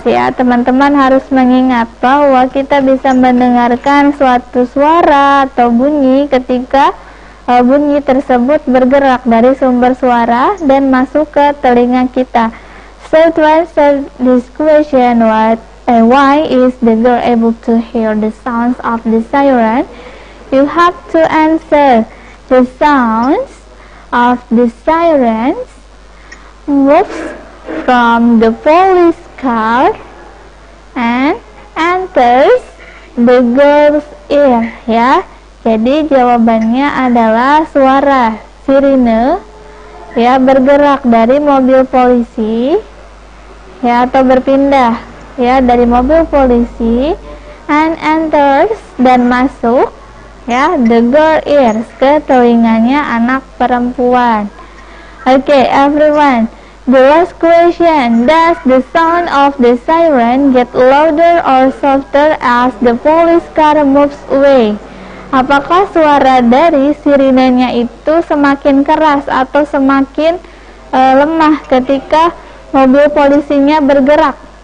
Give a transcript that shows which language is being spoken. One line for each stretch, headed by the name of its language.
Indonesian: Ya, teman-teman harus mengingat bahwa kita bisa mendengarkan suatu suara atau bunyi ketika bunyi tersebut bergerak dari sumber suara dan masuk ke telinga kita.
English: So to answer this question, why is the girl able to hear the sounds of the siren? You have to answer the sounds of the sirens moves from the police car and enters the girl's ear.
Indonesian: Ya, jadi jawabannya adalah suara sirene ya bergerak dari mobil polisi ya atau berpindah. Ya, dari mobil polisi
English: and enters
Indonesian: dan masuk ya
English: the girl ears
Indonesian: ke telinganya anak perempuan.
English: Okay, everyone, the last question, does the sound of the siren get louder or softer as the police car moves away?
Indonesian: Apakah suara dari sirenenya itu semakin keras atau semakin lemah ketika mobil polisinya bergerak?